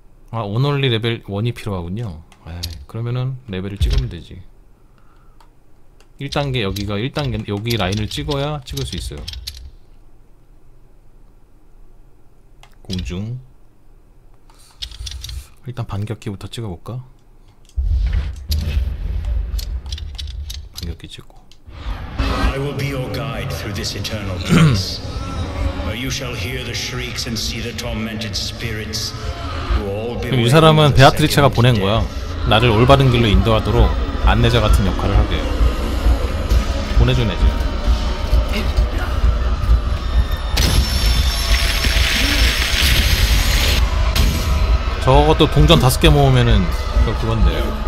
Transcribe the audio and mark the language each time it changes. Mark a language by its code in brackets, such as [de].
[ko] 아, 온얼리 레벨 1이 필요하군요. 에이, 그러면은 레벨을 찍으면 되지. 1단계 여기가 1단계 여기 라인을 찍어야 찍을 수 있어요. 공중. 일단 반격기부터 찍어볼까? 반격기 찍고. [en] I will be your guide through this eternal place, where you shall hear the shrieks and see the tormented spirits who all be. [ko] 이 사람은 베아트리체가 보낸 거야. 나를 올바른 길로 인도하도록 안내자 같은 역할을 하게 보내준 애지. 저것도 동전 다섯 개 모으면은 그건데.